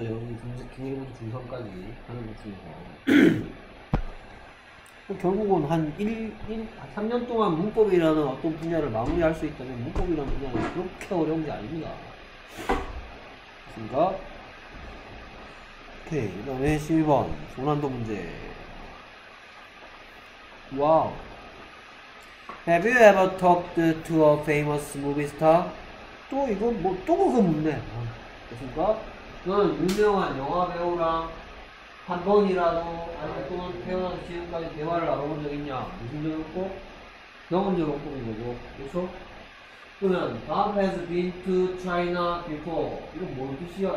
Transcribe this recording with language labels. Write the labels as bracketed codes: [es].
[ko] 여기 중1부터 중3까지 하는 것 중에서 결국은 한 3년 동안 문법이라는 어떤 분야를 마무리할 수 있다면 문법이라는 분야는 그렇게 어려운 게 아닙니다. 그러니까 오케이. 그 다음에 12번 고난도 문제. 와우. [en] Have you ever talked to a famous movie star? [ko] 또 이거 뭐 또 그거 묻네. 그니까 그건 유명한 영화 배우랑 한 번이라도 아니면 또는 태어나서 지금까지 대화를 나눠본 적 있냐? 무슨 적이고 경험 적이고 이거 그렇죠? 그러면 [en] Bob has been to China before. [ko] 이거 뭔 뜻이야?